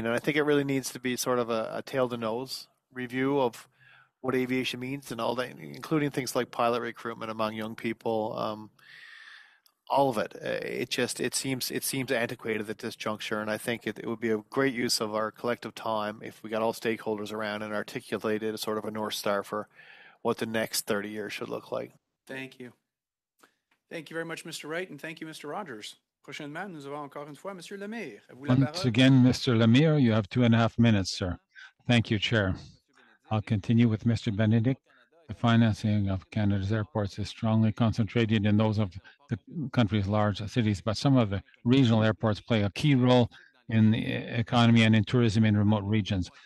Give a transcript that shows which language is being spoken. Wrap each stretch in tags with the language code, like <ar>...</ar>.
<en>And I think it really needs to be sort of a tail-to-nose review of what aviation means and all that, including things like pilot recruitment among young people, all of it. It seems antiquated at this juncture, and I think it would be a great use of our collective time if we got all stakeholders around and articulated a sort of a North Star for what the next 30 years should look like. Thank you. Thank you very much, Mr. Wright, and thank you, Mr. Rogers.</en> <fr>Prochainement, nous avons encore une fois, Monsieur Lemire.</fr> <en>Once again, Mr. Lemire, you have 2.5 minutes, sir. Thank you, Chair. I'll continue with Mr. Benedict. The financing of Canada's airports is strongly concentrated in those of the country's large cities, but some of the regional airports play a key role in the economy and in tourism in remote regions.</en>